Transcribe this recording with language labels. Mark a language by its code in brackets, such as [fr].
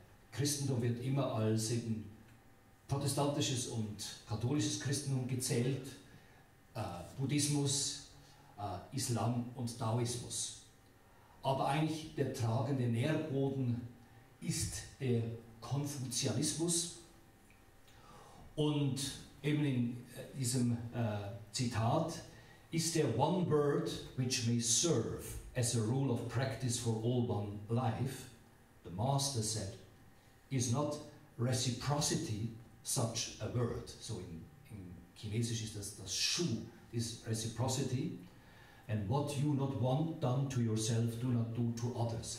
[de] Christentum wird immer als eben protestantisches und katholisches Christentum gezählt, Buddhismus, Islam und Taoismus. Aber eigentlich der tragende Nährboden ist der Konfuzianismus. Und eben in diesem Zitat ist der [en] One Word which may serve as a rule of practice for all one life, the master said, is not reciprocity such a word. [de] So in Chinesisch ist das Shu, [en] is reciprocity. And what you not want done to yourself, do not do to others.